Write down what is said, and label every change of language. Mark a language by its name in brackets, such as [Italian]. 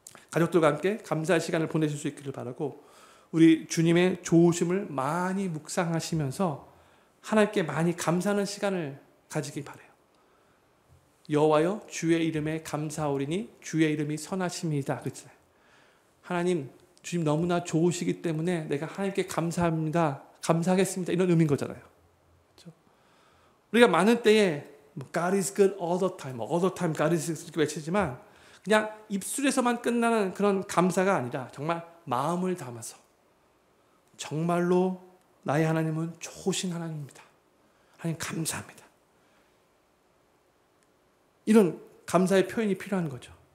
[Korean] 가족들과 함께 감사의 시간을 보내실 수 있기를 바라고 우리 주님의 좋으심을 많이 묵상하시면서 하나님께 많이 감사하는 시간을 가지기 바라요. 여호와여 주의 이름에 감사하오리니 주의 이름이 선하심이다. 그랬잖아요. 하나님 주님 너무나 좋으시기 때문에 내가 하나님께 감사합니다. 감사하겠습니다. 이런 의미인 거잖아요. 그렇죠? [English] 우리가 많은 때에 God is good all the time. [Korean] All the time God is good 이렇게 외치지만 그냥 입술에서만 끝나는 그런 감사가 아니라 정말 마음을 담아서 정말로 나의 하나님은 좋으신 하나님입니다. 하나님 감사합니다. 이런 감사의 표현이 필요한 거죠.